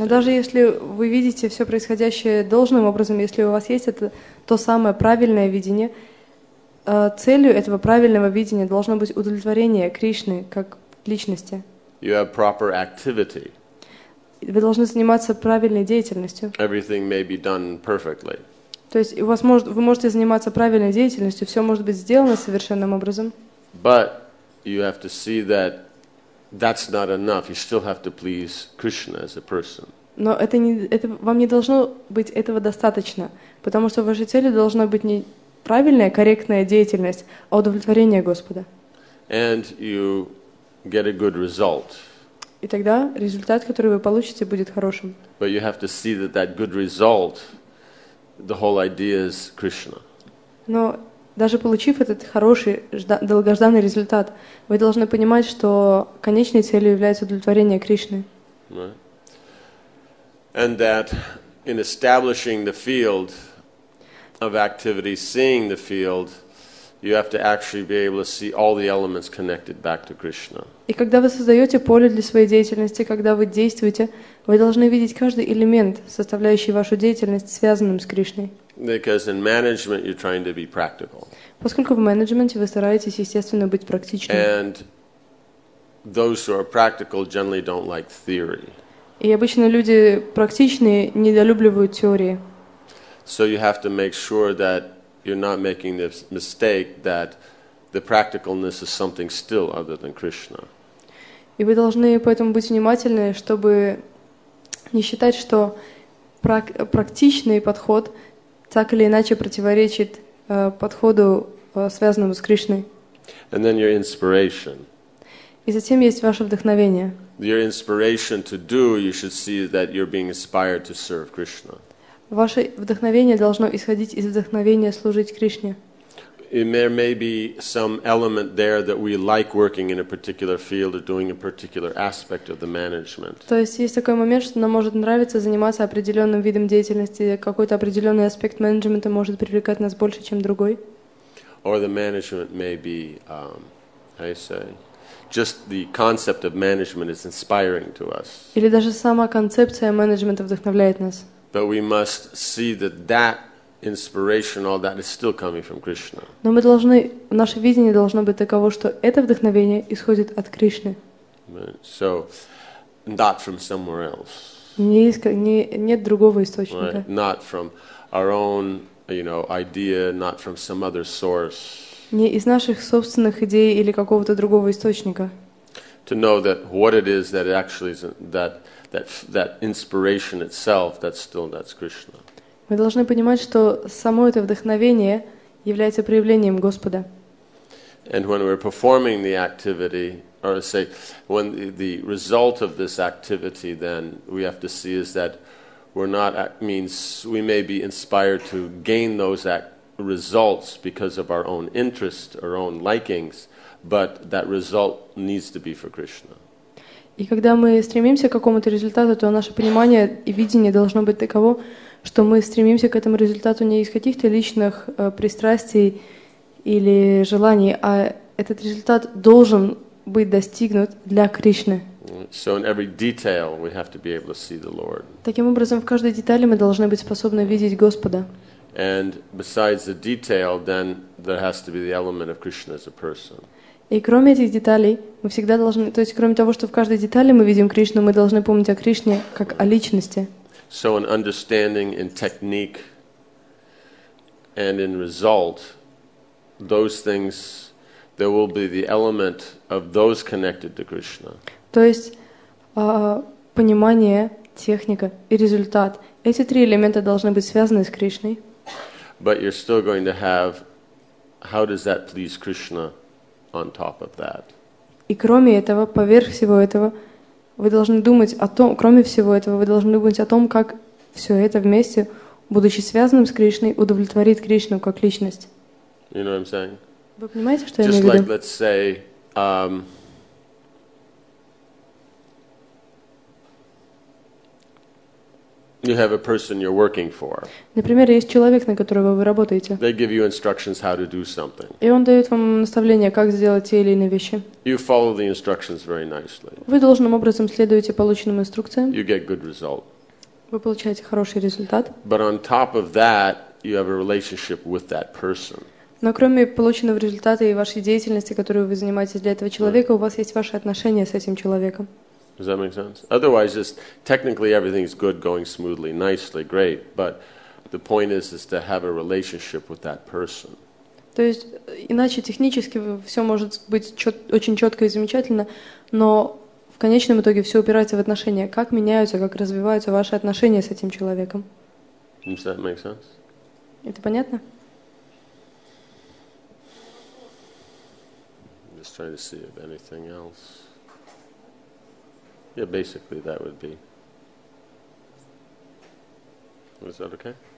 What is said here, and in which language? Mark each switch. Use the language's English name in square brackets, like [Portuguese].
[Russian] Но даже если вы видите все происходящее должным образом, если у вас есть это то самое правильное видение, целью этого правильного видения должно быть удовлетворение Кришны как личности. [English] You have proper activity. [Russian] Вы должны заниматься правильной деятельностью. [English] Everything may be done perfectly. [Russian] То есть у вас вы можете заниматься правильной деятельностью, все может быть сделано совершенным образом. [English] But you have to see that that's not enough. You still have to please Krishna as a person. [Russian] Но это вам не должно быть этого достаточно, потому что вашей целью должна быть не правильная, корректная деятельность, а удовлетворение Господа. [English] And you get a good result. [Russian] И тогда результат, который вы получите, будет хорошим. [English] But you have to see that that good result, the whole idea is Krishna. [Russian] Но даже получив этот хороший, долгожданный результат, вы должны понимать, что конечной целью является удовлетворение Кришны. [English] And that in establishing the field of activity, seeing the field, you have to actually be able to see all the elements connected back to Krishna. [Russian] И когда вы создаете поле для своей деятельности, когда вы действуете, вы должны видеть каждый элемент, составляющий вашу деятельность, связанным с Кришной. [English] Because in management you're trying to be practical. [Russian] Поскольку в менеджменте вы стараетесь, естественно, быть практичным. [English] And those who are practical generally don't like theory. [Russian] И обычно люди практичные недолюбливают теории. [English] So you have to make sure that you're not making this mistake that the practicalness is something still other than Krishna. [Russian] И вы должны поэтому быть внимательны, чтобы не считать, что практичный подход так или иначе противоречит подходу, связанному с Кришной. [English] And then your inspiration. [Russian] И затем есть ваше вдохновение. [English] Your inspiration to do, you should see that you're being inspired to serve Krishna. [Russian] Ваше вдохновение должно исходить из вдохновения служить Кришне. [English] There may be some element there that we like working in a particular field or doing a particular aspect of the management. [Russian] То есть есть такой момент, что нам может нравиться заниматься определенным видом деятельности, какой-то определенный аспект менеджмента может привлекать нас больше, чем другой. [English] Or the management may be, how you say, just the concept of management is inspiring to us. [Russian] Или даже сама концепция менеджмента вдохновляет нас. [English] But we must see that that inspiration, all that, is still coming from Krishna. [Russian] Но мы должны, наше видение должно быть таково, что это вдохновение исходит от Кришны. [English] So, not from somewhere else. [Russian] Нет другого источника. [English] Right? Not from our own, you know, idea, not from some other source. [Russian] Не из наших собственных идей или какого-то другого источника. [English] To know that what it is that it actually is that inspiration itself, that's Krishna. [Russian] Мы должны понимать, что само это вдохновение является проявлением Господа. [English] And when we're performing the activity, or say, when the result of this activity, then we have to see is that we're not, means we may be inspired to gain those results because of our own interest, our own likings, but that result needs to be for Krishna. [Russian] И когда мы стремимся к какому-то результату, то наше понимание и видение должно быть таково, что мы стремимся к этому результату не из каких-то личных пристрастий или желаний, а этот результат должен быть достигнут для Кришны. [English] So in every detail we have to be able to see the Lord. [Russian] Таким образом, в каждой детали мы должны быть способны видеть Господа. [English] And besides the detail, then there has to be the element of Krishna as a person. [Russian] И кроме этих деталей, мы всегда должны, то есть кроме того, что в каждой детали мы видим Кришну, мы должны помнить о Кришне как о личности. [English] So in understanding, in technique, and in result, those things, there will be the element of those connected to Krishna. [Russian] То есть понимание, техника и результат. Эти три элемента должны быть связаны с Кришной. [English] But you're still going to have, how does that please Krishna on top of that? [Russian] И кроме этого, поверх всего этого, вы должны думать о том, кроме всего этого, вы должны думать о том, как все это вместе, будучи связанным с Кришной, удовлетворит Кришну как личность. [English] You know what I'm saying? [Russian] Вы понимаете, что я имею в виду? [English] Just like, let's say, you have a person you're working for. [Russian] Например, есть человек, на которого вы работаете. [English] They give you instructions how to do something. [Russian] И он дает вам наставления, как сделать те или иные вещи. [English] You follow the instructions very nicely. [Russian] Вы должным образом следуете полученным инструкциям. [English] You get good result. [Russian] Вы получаете хороший результат. [English] But on top of that, you have a relationship with that person. [Russian] Но кроме полученного результата и вашей деятельности, которую вы занимаетесь для этого человека, у вас есть ваши отношения с этим человеком. [English] Does that make sense? Otherwise, just technically everything is good, going smoothly, nicely, great. But the point is to have a relationship with that person. [Russian] То есть, иначе технически все может быть очень четко и замечательно, но в конечном итоге все упирается в отношения. Как меняются, как развиваются ваши отношения с этим человеком? [English] Does that make sense? [Russian] Это понятно? [English] I'm just trying to see if anything else. Yeah, basically that would be. Was that okay?